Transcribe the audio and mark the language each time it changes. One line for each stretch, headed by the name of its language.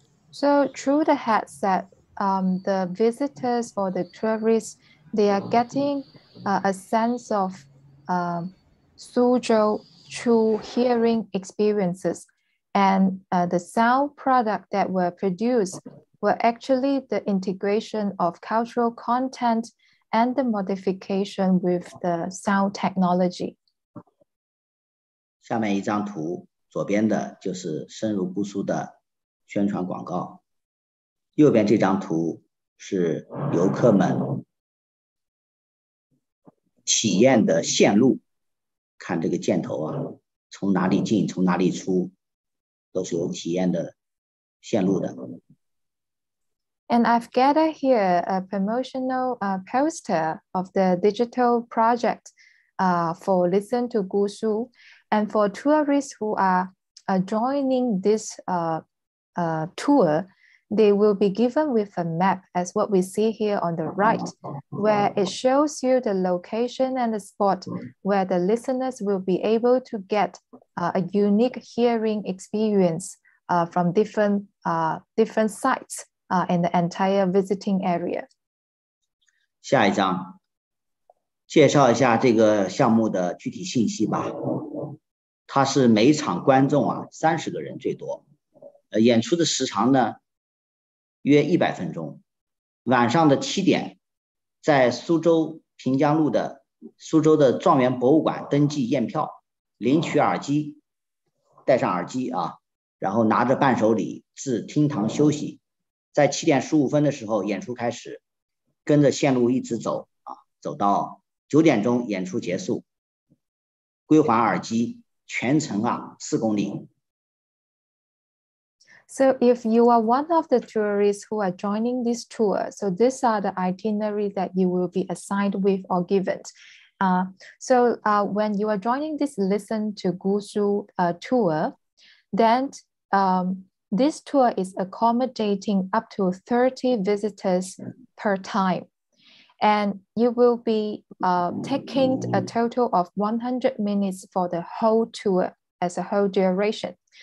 English: So through the headset, the visitors or the tourists, they are getting a sense of Suzhou through hearing experiences. And the sound product that were produced were actually the integration of cultural content and the modification with the sound technology.
Chinese: 下面一张图, 左边的就是深入不俗的宣传广告, 右边这张图是游客们体验的线路, 看这个箭头啊, 从哪里进, 从哪里出, 都是有体验的线路的。
English: And I've gathered here a promotional poster of the digital project for Listen to Gusu. And for tourists who are joining this tour, they will be given with a map as what we see here on the right, where it shows you the location and the spot where the listeners will be able to get a unique hearing experience from different sites. In the entire visiting area.
Chinese: 下一张, 介绍一下这个项目的具体信息吧。它是每场观众啊, 30个人最多, 演出的时长呢, 约100分钟, 晚上的7点, 在苏州平江路的, 苏州的状元博物馆登记验票, 领取耳机, 戴上耳机啊, 然后拿着伴手礼, 至厅堂休息。在7点15分的时候演出开始, 跟着线路一直走, 走到9点钟演出结束, 归还耳机, 全程啊, 4公里。
English: So if you are one of the tourists who are joining this tour, so these are the itinerary that you will be assigned with or given. When you are joining this Listen to Gusu tour, then this tour is accommodating up to 30 visitors per time, and you will be taking a total of 100 minutes for the whole tour as a whole duration.